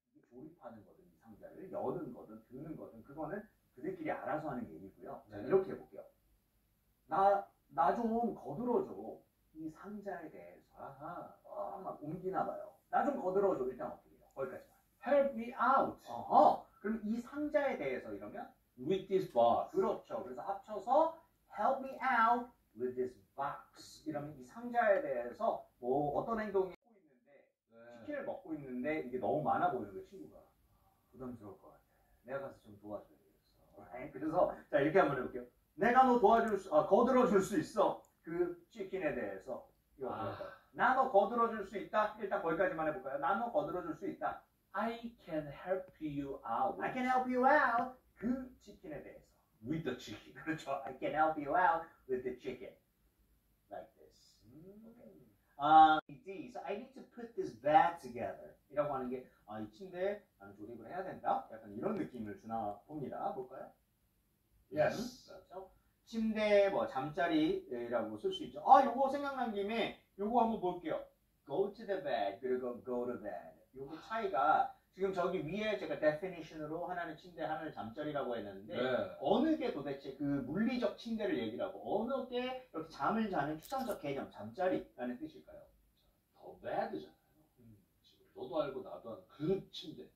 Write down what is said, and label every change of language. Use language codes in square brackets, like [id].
[ko] 조립하는 거든 상자를 여는 거든 드는 거든 그거는 그들끼리 알아서 하는 얘기고요. 자, 네. 이렇게 해볼게요. 나 좀 거들어줘. 이 상자에 대해서 아하, 막 옮기나 봐요. 나 좀 거들어줘. 일단 어떻게 해요? 거기까지만. [en] Help me out. [ko] 어허. 그럼 이 상자에 대해서 이러면? [en] With this box. [ko] 그렇죠. 그래서 합쳐서 [en] Help me out with this box. [ko] 이러면 이 상자에 대해서 뭐 어떤 행동이 하고 있는데 네. 치킨을 먹고 있는데 이게 너무 많아 보이는 거 친구가. 부담스러울 것 같아. 내가 가서 좀 도와줘야겠어. [en] Right? [ko] 그래서 자 이렇게 한번 해볼게요. 내가 너 도와줄 수, 거들어줄 수 있어. 그 치킨에 대해서. 나 너 거들어줄 수 있다. 일단 거기까지만 해볼까요? 나 너 거들어줄 수 있다. [en] I can help you out. I can help you out. [ko] 그 치킨에 대해서. [en] With the chicken. [ko] 그렇죠. [en] I can help you out with the chicken. Like this. So I need to put this bag together. [ko] 이라고 하는 게 이 침대 나는 조립을 해야 된다. 약간 이런 느낌을 주나 봅니다. 볼까요? [en] Yes. [ko] 그렇죠. 침대 뭐 잠자리라고 쓸 수 있죠. 이거 생각난 김에 이거 한번 볼게요. [en] Go to the bed [ko] 그리고 [en] go to bed. [ko] 이거 차이가 지금 저기 위에 제가 definition으로 하나는 침대 하나는 잠자리라고 했는데 네. 어느 게 도대체 그 물리적 침대를 얘기라고 어느 게 이렇게 잠을 자는 추상적 개념 잠자리라는 뜻일까요? [en] The bed잖아. [ko] 너도 알고 나도 알고 그 침대